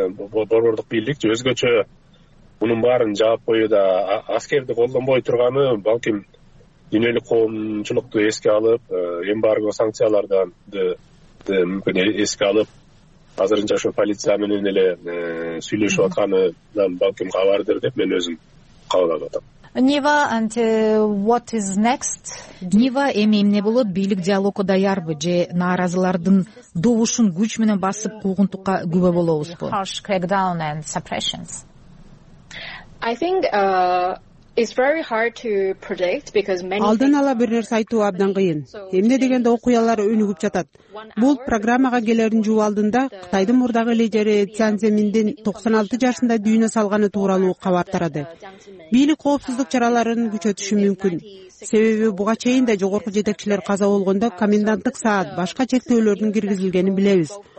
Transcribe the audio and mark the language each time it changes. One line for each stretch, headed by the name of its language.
Kyrgyz: Борбордук бийлик өзгөчө мунун баарын жаап коюуда аскерди колдонбой турганы балким дүйнөлүк коомчулукту эске алып эмбарго санкциялардан мүмкүн эске алып азырынча ошо полиция менен эле сүйлөшүп атканынан балким кабардыр деп мен өзүм кабыл атам.
English: Нива, and what is next?
Kyrgyz: Нива, эми эмне болот? Бийлик диалогко даярбы же нааразылардын добушун күч менен басып куугунтукка күбө болобузбу?
English: Harsh crackdown and suppressions. I think it's very hard to predict because many
Kyrgyz: алдын ала бир нерсе айтуу абдан кыйын. Эмне дегенде окуялар өнүгүп жатат. Бул программага келердин жуу алдында Кытайдын мурдагы лидери Цзян Цземиндин 96 жашында дүйнө салганы тууралуу кабар тарады. Бийлик коопсуздук чараларын күчөтүшү мүмкүн. Себеби буга чейин да жогорку жетекчилер каза болгондо коменданттык саат, башка чектөөлөрдүн киргизилгенин билебиз.